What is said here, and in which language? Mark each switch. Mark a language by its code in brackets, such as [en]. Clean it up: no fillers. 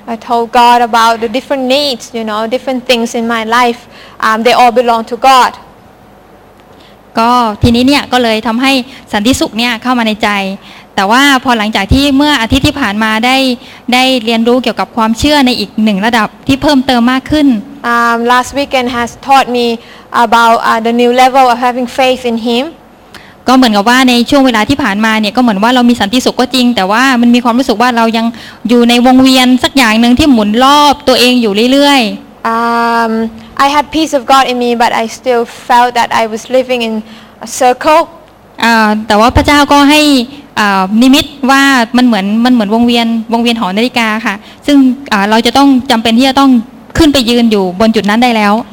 [en] I told God about the different needs you know different things in my life they all belong to God [th] ก็ทีนี้เนี่ยก็เลยทำให้สันติสุขเนี่ยเข้ามาในใจแต่ว่าพอหลังจากที่เมื่ออาทิตย์ที่ผ่านมาได้เรียนรู้เกี่ยวกับความเชื่อในอีกหนึ่งระดับที่เพิ่มเติมมากขึ้น [en] Last weekend has taught me about the new level of having faith in him [th] ก็เหมือนกับว่าในช่วงเวลาที่ผ่านมาเนี่ยก็เหมือนว่าเรามีสันติสุขก็จริงแต่ว่ามันมีความรู้สึกว่าเรายังอยู่ในวงเวียนสักอย่างนึงที่หมุนรอบตัวเองอยู่เรื่อย [en] ๆ I had peace of God in me but I still felt that I was living in a circle [th] แต่ว่าพระเจ้าก็ให้นิมิตว่ามันเหมือนวงเวียนหอนาฬิกาค่ะซึ่งเราจะต้องจำเป็นที่จะต้องขึ้นไปยืนอยู่บนจุดนั้นได้แล้ว